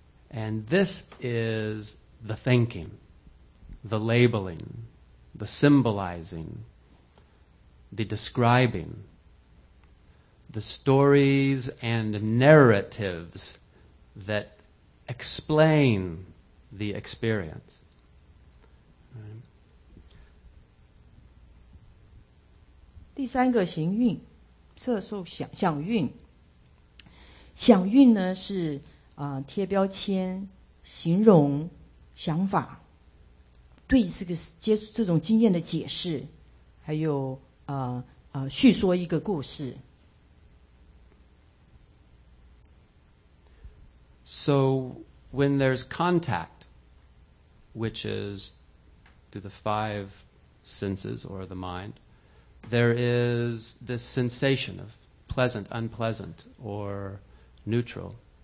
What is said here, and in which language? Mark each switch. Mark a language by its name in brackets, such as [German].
[English] And this is the thinking, the labeling, the symbolizing, the describing, the stories and narratives that explain the experience. Right. [Chinese] 第三个行运，色受想想运。想运呢是贴标签、形容、想法，对这个接触这种经验的解释，还有叙说一个故事。 [English] So when there's contact, which is through the five senses or the mind, there is this sensation of pleasant, unpleasant, or neutral.